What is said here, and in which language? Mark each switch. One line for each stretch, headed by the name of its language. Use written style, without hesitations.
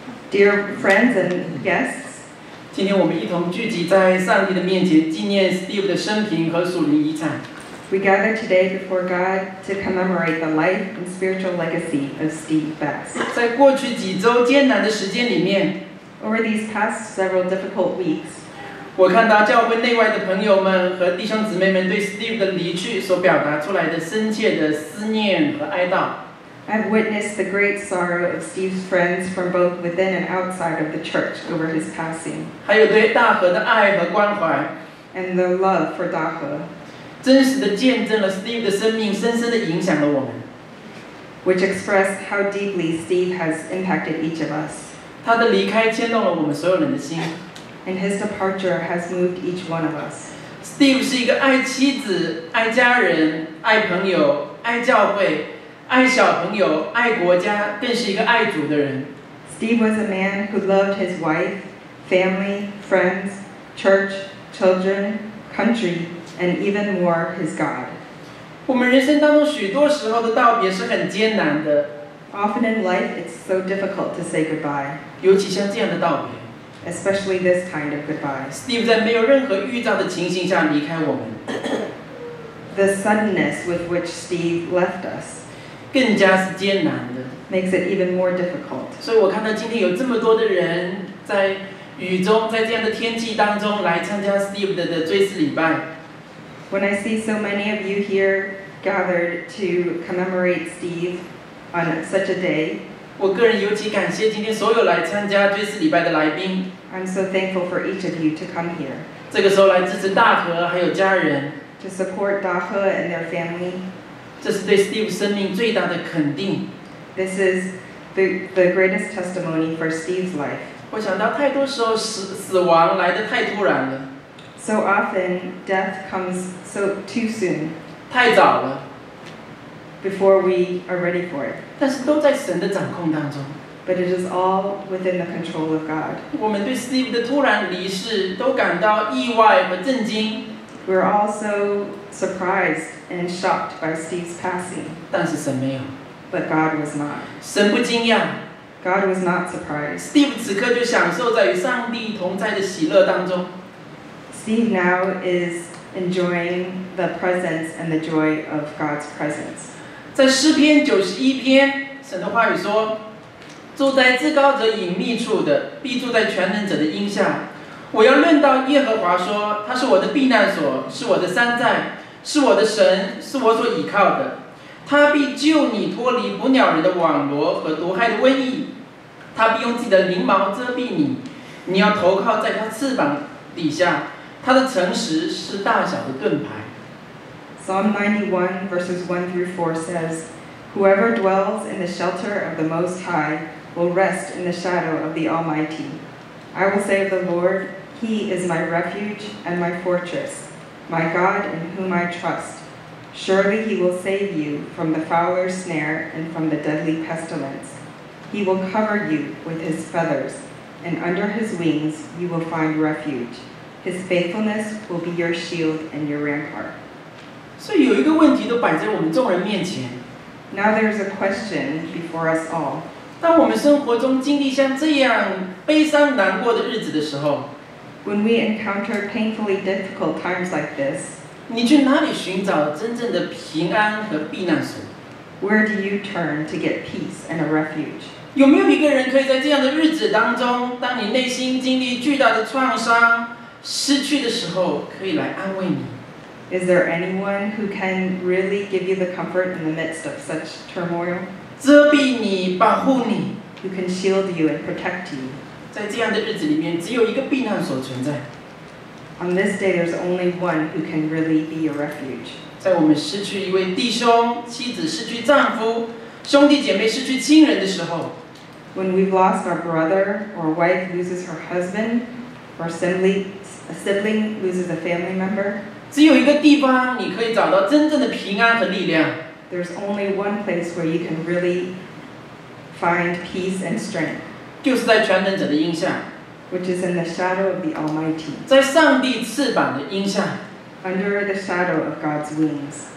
English: Dear friends and guests,
Chinese: 今天我们一同聚集在上帝的面前，纪念 Steve 的生平和属灵遗产。
English: We gather today before God to commemorate the life and spiritual legacy of Steve Bass.
Chinese: 在过去几周艰难的时间里面
English: ，Over these past several difficult weeks,
Chinese: 我看到教会内外的朋友们和弟兄姊妹们对 Steve 的离去所表达出来的深切的思念和哀悼。
English: I've witnessed the great sorrow of Steve's friends from both within and outside of the church over his passing.
Chinese: 还有对大和的爱和关怀
English: and the love for 大和
Chinese: 真实的见证了 Steve 的生命深深地影响了我们
English: which expressed how deeply Steve has impacted each of us.
Chinese: 他的离开牵动了我们所有人的心
English: and his departure has moved each one of us.
Chinese: Steve 是一个爱妻子、爱家人、爱朋友、爱教会爱小朋友、爱国家，更是一个爱主的人。
English: Steve was a man who loved his wife, family, friends, church, children, country, and even more his God.
Chinese: 我们人生当中许多时候的道别是很艰难的。
English: Often in life, it's so difficult to say goodbye.
Chinese: 尤其像这样的道别。
English: Especially this kind of goodbye.
Chinese: Steve 在没有任何预兆的情形下离开我们。
English: The suddenness with which Steve left us.
Chinese: 更加是艰难的
English: makes it even more difficult.
Chinese: 所以我看到今天有这么多的人在雨中在这样的天气当中来参加 Steve 的追思礼拜
English: When I see so many of you here gathered to commemorate Steve on such a day
Chinese: 我个人尤其感谢今天所有来参加追思礼拜的来宾
English: I'm so thankful for each of you to come here
Chinese: 这个时候来支持大和还有家人
English: to support Da He and their family
Chinese: 这是对 Steve 生命最大的肯定。
English: This is the greatest testimony for Steve's life.
Chinese: 我想到太多时候死亡来得太突然了。
English: So often death comes so too soon.
Chinese: 太早了。
English: Before we are ready for it.
Chinese: 但是都在神的掌控当中。
English: But it is all within the control of God.
Chinese: 我们对 Steve 的突然离世都感到意外和震惊。
English: We're all so surprised and shocked by Steve's passing.
Chinese: 但是神没有。
English: But God was not.
Chinese: 神不惊讶。
English: God was not surprised.
Chinese: Steve 此刻就享受在与上帝同在的喜乐当中。
English: Steve now is enjoying the presence and the joy of God's presence.
Chinese: 在诗篇九十一篇，神的话语说：“住在至高者隐秘处的，必住在全能者的荫下。” 我要论到耶和华说，他是我的避难所，是我的山寨，是我的神，是我所倚靠的。他必救你脱离捕鸟人的网罗和毒害的瘟疫。他必用自己的翎毛遮蔽你，你要投靠在他翅膀底下。他的诚实是大小的盾牌。
English: Psalm 91 verses 1 through 4 says, Whoever dwells in the shelter of the Most High will rest in the shadow of the Almighty. I will say of the Lord, He is my refuge and my fortress, my God in whom I trust. Surely He will save you from the fowler's snare and from the deadly pestilence. He will cover you with His feathers, and under His wings you will find refuge. His faithfulness will be your shield and your rampart.
Chinese: So, 有一个问题都摆在我们众人面前。
English: Now there's a question before us all.
Chinese: 当我们生活中经历像这样悲伤难过的日子的时候
English: When we encounter painfully difficult times like this
Chinese: 你去哪里寻找真正的平安和避难所
English: Where do you turn to get peace and a refuge
Chinese: 有没有一个人可以在这样的日子当中，当你内心经历巨大的创伤、失去的时候，可以来安慰你？
English: Is there anyone who can really give you the comfort in the midst of such turmoil?
Chinese: 遮蔽你，保护你。
English: Who can shield you and protect you?
Chinese: 在这样的日子里面，只有一个避难所存在。
English: On this day, there's only one who can really be your refuge.
Chinese: 在我们失去一位弟兄、妻子、失去丈夫、兄弟姐妹、失去亲人的时候，
English: When we've lost our brother or wife loses her husband, or a sibling loses a family member,
Chinese: 只有一个地方你可以找到真正的平安和力量。
English: There's only one place where you can really find peace and strength.
Chinese: 就是在全能者的荫下。
English: Which is in the shadow of the Almighty.
Chinese: 在上帝翅膀的荫下。
English: Under the shadow of God's wings.